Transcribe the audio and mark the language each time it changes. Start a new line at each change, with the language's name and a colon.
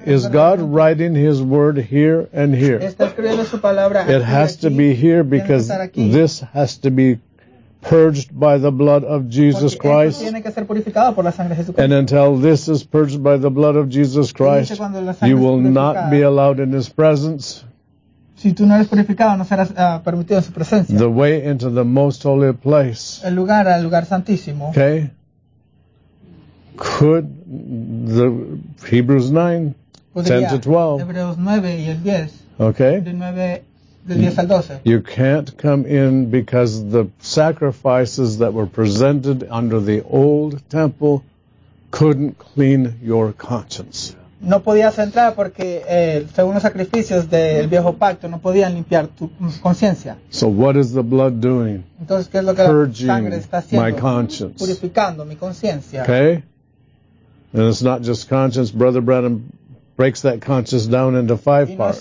English: Is God writing his word here and here? It has to be here because this has to be purged by the blood of Jesus Christ. And until this is purged by the blood of Jesus Christ, you will not be allowed in his presence.
Spanish: Si tú no eres purificado, no serás permitido en su presencia.
English: The way into the most holy place.
Spanish: El lugar al lugar santísimo.
English: Okay? Could the Hebrews 9,
Spanish: podría,
English: 10 to 12.
Spanish: Hebreos 9 y el 10.
English: Okay.
Spanish: Del 9, del 10 al 12.
English: You can't come in because the sacrifices that were presented under the old temple couldn't clean your conscience.
Spanish: No podías entrar porque según los sacrificios del viejo pacto no podían limpiar tu conciencia.
English: So what is the blood doing?
Spanish: Entonces, ¿qué es lo que la sangre está haciendo?
English: My conscience.
Spanish: Purificando mi conciencia.
English: Okay. And it's not just conscience. Brother Branham breaks that conscience down into five parts.